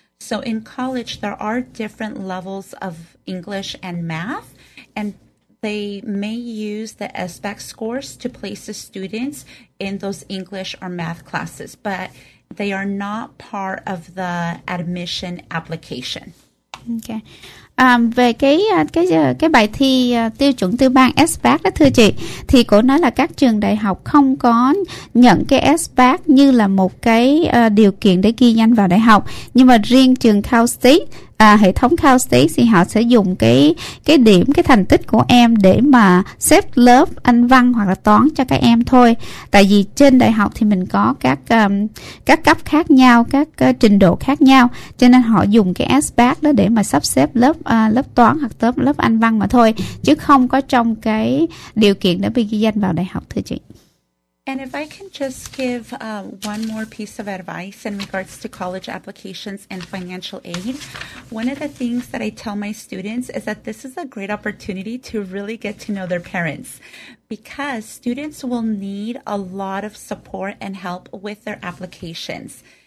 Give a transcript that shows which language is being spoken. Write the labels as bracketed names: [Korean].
[English] So in college, there are different levels of English and math, and they may use the SBAC scores to place the students in those English or math classes, but they are not part of the admission application. Okay. [Vietnamese] Về cái bài thi tiêu chuẩn tiêu bang SBAC đó thưa chị, thì cô nói là các trường đại học không có nhận cái SBAC như là một cái điều kiện để ghi danh vào đại học, nhưng mà riêng trường Cal State, hệ thống Cal State thì họ sẽ dùng cái điểm, cái thành tích của em để mà xếp lớp anh văn hoặc là toán cho các em thôi. Tại vì trên đại học thì mình có các cấp khác nhau, các trình độ khác nhau, cho nên họ dùng cái SBAC đó để mà sắp xếp lớp toán hoặc lớp anh văn mà thôi, chứ không có trong cái điều kiện để bị ghi danh vào đại học, thưa chị. [English] And if I can just give one more piece of advice in regards to college applications and financial aid, one of the things that I tell my students is that this is a great opportunity to really get to know their parents, because students will need a lot of support and help with their applications.